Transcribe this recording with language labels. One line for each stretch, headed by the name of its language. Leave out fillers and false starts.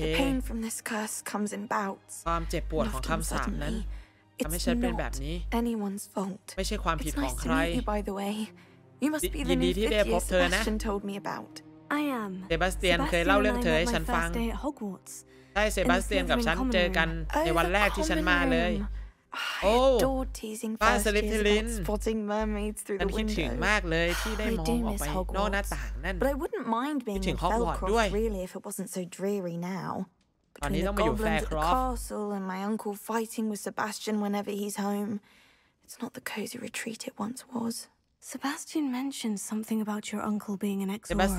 English: The pain from this curse comes in bouts.
Thai: ความเจ็บปวดของคำสาปนั้นทำให้ฉันเป็นแบบนี้
English: anyone's fault
Thai: ไม่ใช่ความผิดของใคร
English: By the way you must be the new fifth year Sebastian told me about I am
Thai: Sebastian เคยเล่าเรื่องเธอให้ฉันฟังใช่ Sebastian กับฉันเจอกันในวันแรกที่ฉันมาเลย โอ้ป้าสลิธีริน ฉันคิดถึงมากเลยที่ได้มองออกไปนอกหน้าต่างนั่น คิดถึงฮอกวอตส์ด้วย
English: But I wouldn't mind being in Felcroft really if it wasn't so dreary now Between the goblins at the castle and my uncle fighting with Sebastian whenever he's home, it's not the cozy retreat it once was. Sebastian mentioned something about your uncle being an ex-Aura,